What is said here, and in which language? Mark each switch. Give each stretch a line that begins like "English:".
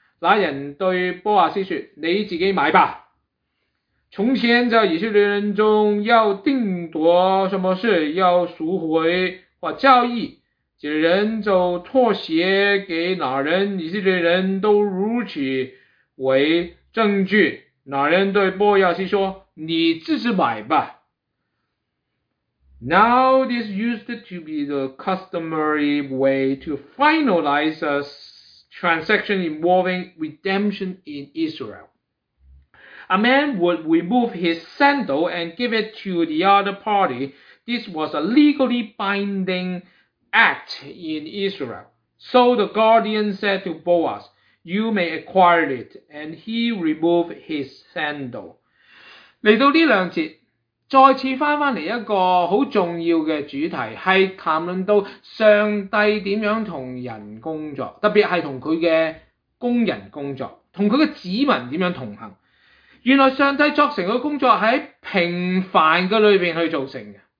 Chinese: 那人对波阿斯说，你自己买吧。从前在以色列人中要定夺什么事，要赎回或交易，这人就妥协给哪人，以色列人都如此为证据。哪人对波阿斯说，你自己买吧。
English: Now this used to be the customary way to finalize a transaction involving redemption in Israel. A man would remove his sandal and give it to the other party. This was a legally binding act in Israel. So the guardian said to Boaz, you may acquire it, and he removed his sandal.
Chinese: 来到这两节再次回到一个很重要的主题，是谈论到上帝怎样跟人工作，特别是跟他的工人工作，跟他的子民怎样同行。原来上帝作成的工作在平凡的里面去造成的。